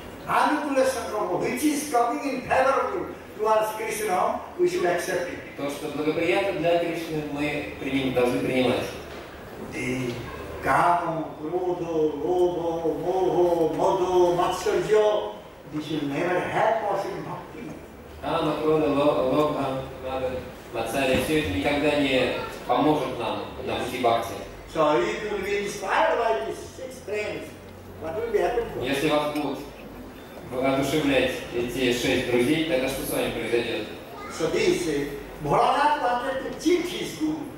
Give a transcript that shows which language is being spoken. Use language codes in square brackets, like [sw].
[en] which is coming in favorable towards Krishna, we should accept it. [ru] То, что благоприятно для Кришны, мы должны принимать. [sa] Каму, кроду, лобо, мого, моду, матсарджо. [en] This will never help us in bhakti. [sa] Каму, кроду, лобо, матсарджо. [ru] Все это никогда не поможет нам на пути бхакти. [en] So if you will be inspired by these six friends, what will be happening? [ru] Если вас будут одушевлять эти шесть друзей, тогда что с вами произойдет? [en] So this, Bholanath wanted to cheat his guru.